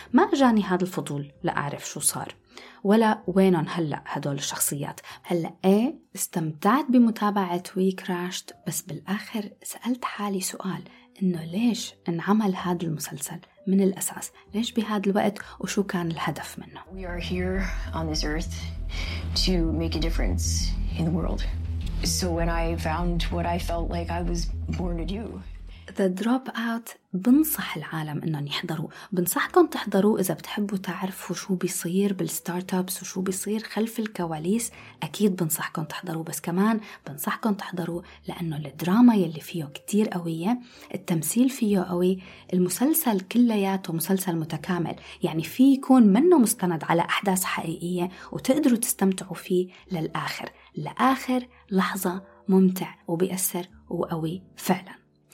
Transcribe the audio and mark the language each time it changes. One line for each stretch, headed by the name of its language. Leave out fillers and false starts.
Arabic: ما أجاني هذا الفضول لأعرف شو صار ولا وينهم هلأ هدول الشخصيات. هلأ استمتعت بمتابعة وي كراشت، بس بالآخر سألت حالي سؤال أنه ليش انعمل هذا المسلسل من الأساس؟ ليش بهذا الوقت وشو كان الهدف منه؟
English: We are here on this earth to make a difference in the world. So when I found what I felt like I was born to do.
Arabic: The Dropout بنصح العالم انهم يحضروا، بنصحكم تحضروا اذا بتحبوا تعرفوا شو بيصير بالستارت ابس وشو بيصير خلف الكواليس، اكيد بنصحكم تحضروا، بس كمان بنصحكم تحضروا لانه الدراما يلي فيه كتير قويه، التمثيل فيه قوي، المسلسل كلياته مسلسل متكامل، يعني فيه يكون منه مستند على احداث حقيقيه وتقدروا تستمتعوا فيه لاخر لحظه، ممتع وبيأثر وقوي فعلا.